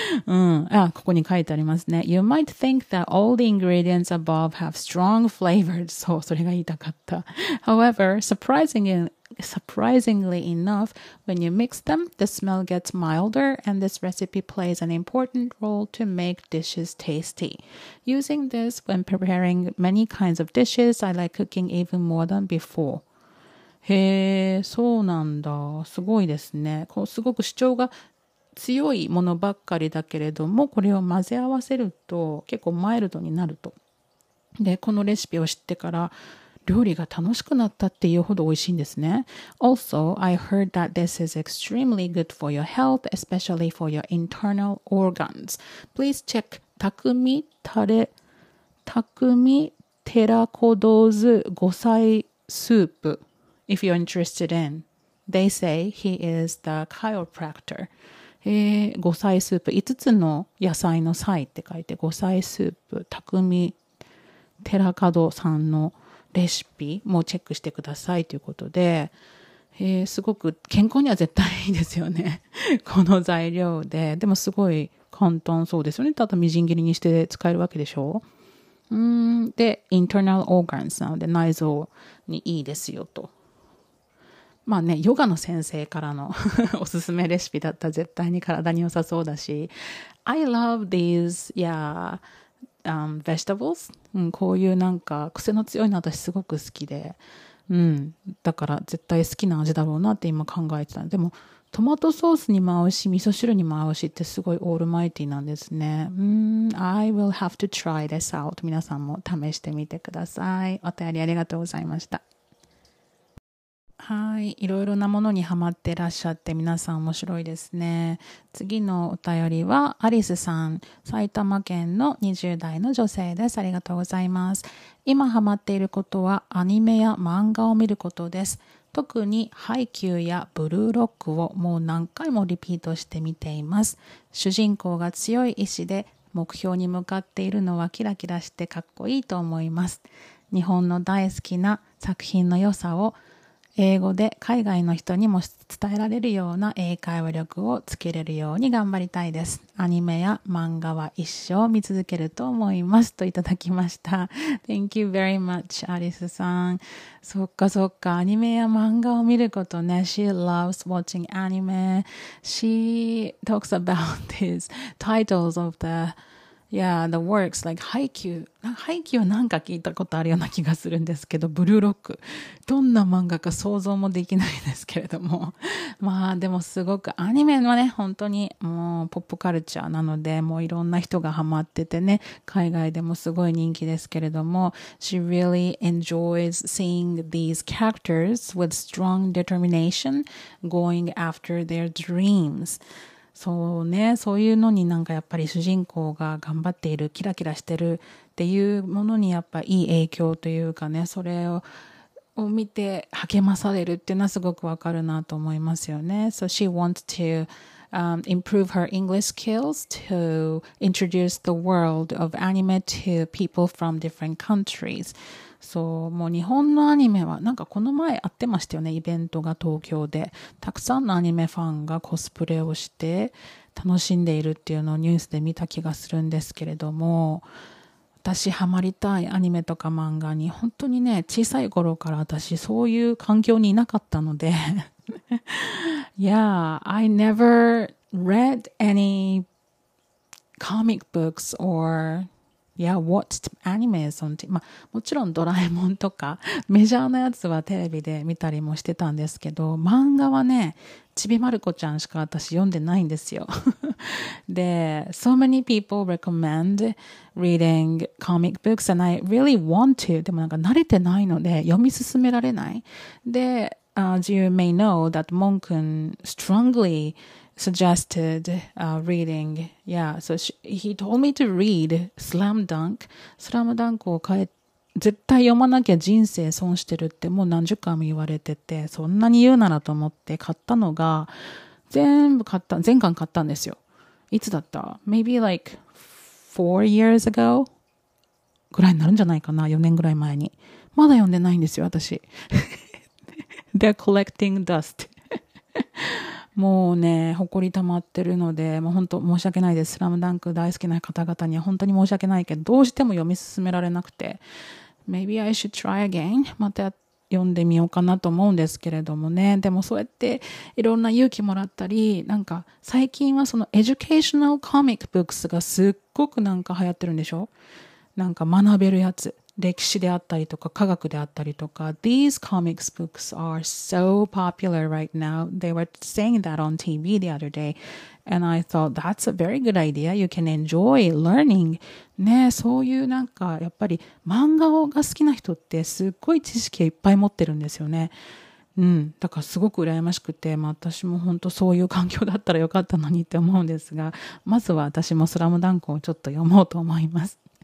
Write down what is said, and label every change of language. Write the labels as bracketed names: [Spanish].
[Japanese] うん。あ、ここに書いてありますね。 [English] You might think that all the ingredients above have strong flavors. [Japanese] そう、それが言いたかった。 [English] However, surprisingly enough, when you mix them, the smell gets milder and this recipe plays an important role to make dishes tasty. Using this when preparing many kinds of dishes, I like cooking even more than before. [Japanese] へえ、そうなんだ。すごいですね。こうすごく主張が強いものばっかりだけれども、これを混ぜ合わせると結構マイルドになると。で、このレシピを知ってから料理が楽しくなったっていうほど美味しいんですね。 [English] Also, I heard that this is extremely good for your health, especially for your internal organs. Please check たくみたれ、たくみテラコドーズ5歳スープ。 If you're interested in, they say he is the chiropractor. [Japanese] 五菜スープ、5つの野菜の菜って書いて、五菜スープ、匠寺門さんのレシピもチェックしてくださいということで、すごく健康には絶対いいですよね。この材料で。でもすごい簡単そうですよね。ただみじん切りにして使えるわけでしょう。で、 [English] internal organs [Japanese] なので内臓にいいですよと。まあね、ヨガの先生からのおすすめレシピだったら絶対に体に良さそうだし。 [English] I love these, yeah, vegetables.、 [Japanese] うん、こういうなんか癖の強いの私すごく好きで。うん。だから絶対好きな味だろうなって今考えてた。でも、トマトソースにも合うし、味噌汁にも合うしってすごいオールマイティなんですね。 [English] I will have to try this out. [Japanese] 皆さんも試してみてください。お便りありがとうございました。はい、いろいろなものにハマってらっしゃって皆さん面白いですね。次のお便りはアリスさん、埼玉県の20代の女性です。ありがとうございます。今ハマっていることはアニメや漫画を見ることです。特にハイキューやブルーロックをもう何回もリピートして見ています。主人公が強い意志で目標に向かっているのはキラキラしてかっこいいと思います。日本の大好きな作品の良さを英語で海外の人にも伝えられるような英会話力をつけれるように頑張りたいです。アニメや漫画は一生見続けると思いますといただきました。 [English] Thank you very much, アリスさん。 [Japanese] そっかそっか、アニメや漫画を見ることね。 [English] She loves watching anime. She talks about these titles of the... Yeah, the works like Haikyuu. Haikyuu [Japanese] はなんか聞いたことあるような気がするんですけど、ブルーロック。どんな漫画か想像もできないですけれども。まあでもすごくアニメはね、本当にもうポップカルチャーなので、もういろんな人がハマっててね、海外でもすごい人気ですけれども、 [English] She really enjoys seeing these characters with strong determination going after their dreams. [Japanese] そうね、そういうのになんかやっぱり主人公が頑張っている、キラキラしてるっていうものにやっぱいい影響というかね、それを見て励まされるっていうのはすごくわかるなと思いますよね。 [English] So she wants to improve her English skills to introduce the world of anime to people from different countries. [Japanese] そう、もう日本のアニメはなんかこの前あってましたよね、イベントが東京でたくさんのアニメファンがコスプレをして楽しんでいるっていうのをニュースで見た気がするんですけれども、私ハマりたいアニメとか漫画に本当にね、小さい頃から私そういう環境にいなかったのでYeah, [English] I never read any comic books or yeah, watched animes on TV. [Japanese] もちろんドラえもんとかメジャーなやつはテレビで見たりもしてたんですけど、漫画はね、ちびまる子ちゃんしか私読んでないんですよ。 [English] で、So many people recommend reading comic books and I really want to. [Japanese] でもなんか慣れてないので読み進められない。で、 [English] As you may know that Monkun strongly suggested reading. Yeah, so he told me to read Slam Dunk. [Japanese] Slam Dunk を買え、絶対読まなきゃ人生損してるってもう何十回も言われてて、そんなに言うならと思って買ったのが、全巻買ったんですよ。いつだった [English] ？Maybe like 4 years ago? [Japanese] ぐらいになるんじゃないかな、4年ぐらい前に。まだ読んでないんですよ、私。 [English] They're collecting dust. [Japanese] もうね、ほこりたまってるので、もう本当申し訳ないです。スラムダンク大好きな方々には本当に申し訳ないけど、どうしても読み進められなくて。 Maybe I should try again. また読んでみようかなと思うんですけれどもね。でもそうやっていろんな勇気もらったり、なんか最近はそのエデュケーショナルコミックブックスがすっごくなんか流行ってるんでしょ？なんか学べるやつ。歴史であったりとか科学であったりとか、 [English] These comics books are so popular right now. They were saying that on TV the other day. And I thought that's a very good idea. You can enjoy learning. [Japanese] ね、そういうなんかやっぱり漫画が好きな人ってすっごい知識いっぱい持ってるんですよね。うん、だからすごく羨ましくて、まあ、私も本当そういう環境だったらよかったのにって思うんですが、まずは私もスラムダンクをちょっと読もうと思います。